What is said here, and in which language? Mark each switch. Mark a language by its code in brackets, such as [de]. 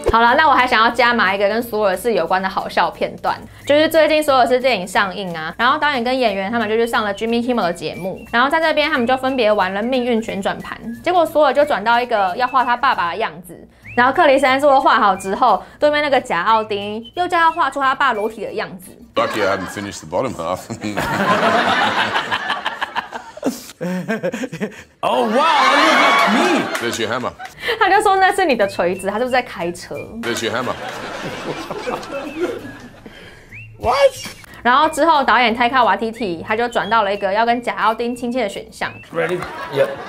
[zh] 好啦，那我还想要加码一个跟索尔斯有关的好笑片段，就是最近索尔斯电影上映啊，然后导演跟演员他们就去上了 Jimmy Kimmel 的节目，然后在这边他们就分别玩了命运旋转盘，结果索尔就转到一个要画他爸爸的样子，然后克里斯安斯沃画好之后，对面那个假奥丁又叫他画出他爸裸体的样子。 [en] Lucky I haven't finished the bottom half. Oh wow, that looks like me. There's your hammer. [zh] 他就说那是你的锤子，他是不是在开车？ [en] There's your hammer. What? [zh] 然后之后导演泰卡瓦提提他就转到了一个要跟贾奥丁亲切的选项。 [en] Ready? Yep.